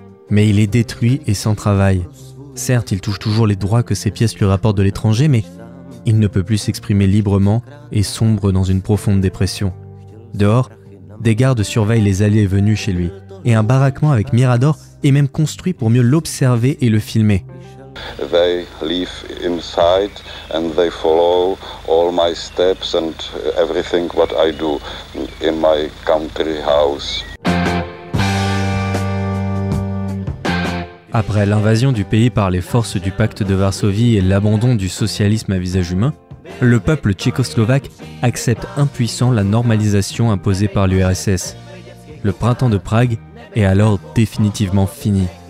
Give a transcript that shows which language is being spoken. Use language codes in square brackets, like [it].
[fr] Mais il est détruit et sans travail. Certes, il touche toujours les droits que ses pièces lui rapportent de l'étranger, mais il ne peut plus s'exprimer librement et sombre dans une profonde dépression. Dehors, des gardes surveillent les allées et venues chez lui. Et un baraquement avec Mirador est même construit pour mieux l'observer et le filmer. [en] They live inside and they follow all my steps and everything what I do in my country house. [fr] Après l'invasion du pays par les forces du pacte de Varsovie et l'abandon du socialisme à visage humain, le peuple tchécoslovaque accepte impuissant la normalisation imposée par l'URSS. Le printemps de Prague est alors définitivement fini.